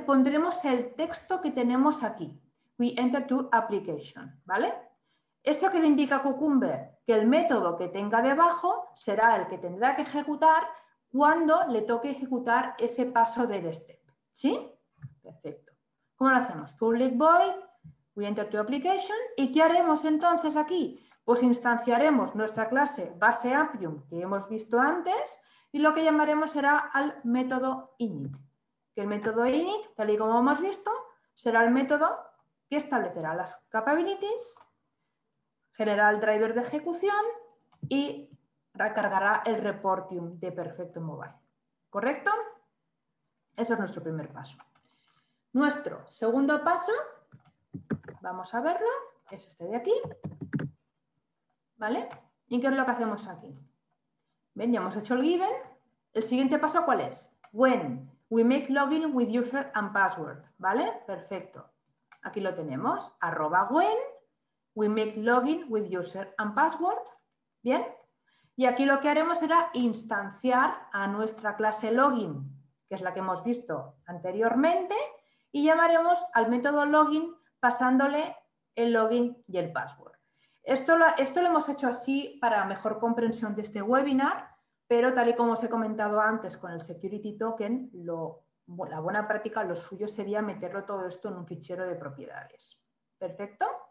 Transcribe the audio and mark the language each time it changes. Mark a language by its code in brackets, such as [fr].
[es] Pondremos el texto que tenemos aquí. [en] We enter to application, [es] ¿vale? Eso que le indica Cucumber, que el método que tenga debajo será el que tendrá que ejecutar cuando le toque ejecutar ese paso del step, ¿sí? Perfecto. ¿Cómo lo hacemos? [en] Public void, we enter to application. [es] ¿Y qué haremos entonces aquí? Pues instanciaremos nuestra clase base Appium que hemos visto antes y lo que llamaremos será al método init. Que el método init, tal y como hemos visto, será el método que establecerá las capabilities, generará el driver de ejecución y recargará el reportium de Perfecto Mobile. ¿Correcto? Ese es nuestro primer paso. Nuestro segundo paso, vamos a verlo, es este de aquí. ¿Vale? ¿Y qué es lo que hacemos aquí? Bien, ya hemos hecho el given. ¿El siguiente paso cuál es? [en] When we make login with user and password. [es] ¿Vale? Perfecto. Aquí lo tenemos. [en] Arroba when we make login with user and password. [es] ¿Bien? Y aquí lo que haremos será instanciar a nuestra clase login, que es la que hemos visto anteriormente, y llamaremos al método login pasándole el login y el password. Esto lo hemos hecho así para mejor comprensión de este webinar, pero tal y como os he comentado antes con el security token, la buena práctica, lo suyo sería meterlo todo esto en un fichero de propiedades. ¿Perfecto?